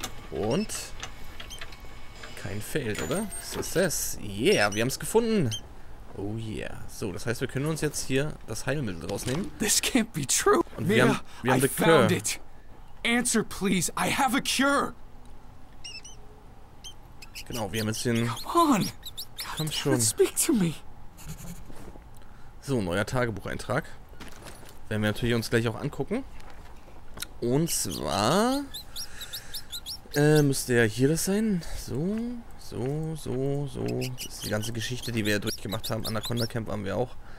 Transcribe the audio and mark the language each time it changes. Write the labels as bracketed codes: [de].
[de] Und kein Fail, oder? Success. Yeah, wir haben es gefunden. Oh yeah. So, das heißt, wir können uns jetzt hier das Heilmittel rausnehmen. [en] This can't be true. [de] Und wir haben [en] the cure. Answer please, I have a cure. [de] Genau, wir haben jetzt den... Komm schon. [en] Speak to me. [de] So, neuer Tagebucheintrag. Werden wir natürlich uns gleich auch angucken. Und zwar... müsste ja hier das sein. So, so, so, so. Das ist die ganze Geschichte, die wir ja durchgemacht haben. Anaconda Camp haben wir auch.